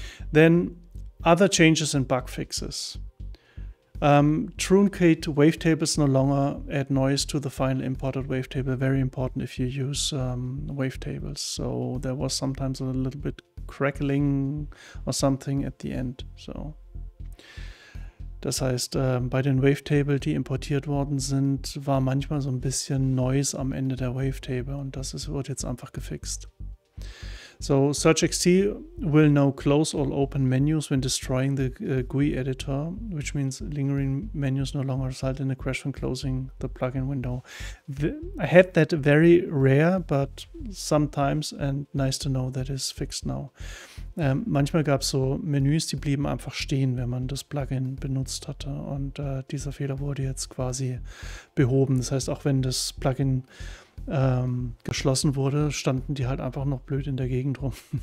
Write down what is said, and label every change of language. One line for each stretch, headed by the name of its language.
English: Then other changes and bug fixes. Truncate wavetables no longer add noise to the final imported wavetable. Very important if you use wavetables. So there was sometimes a little bit crackling or something at the end.
German: So das heißt, bei den Wavetables, die importiert worden sind, war manchmal so ein bisschen Noise am Ende der Wavetable und das wird jetzt einfach gefixt.
English: So, SurgeXT will now close all open menus when destroying the GUI editor, which means lingering menus no longer result in a crash when closing the plugin window. I had that very rare, but sometimes, and nice to know that is fixed now.
German: Manchmal gab es so Menüs, die blieben einfach stehen, wenn man das Plugin benutzt hatte. Und dieser Fehler wurde jetzt quasi behoben. Das heißt, auch wenn das Plugin geschlossen wurde, standen die halt einfach noch blöd in der Gegend rum.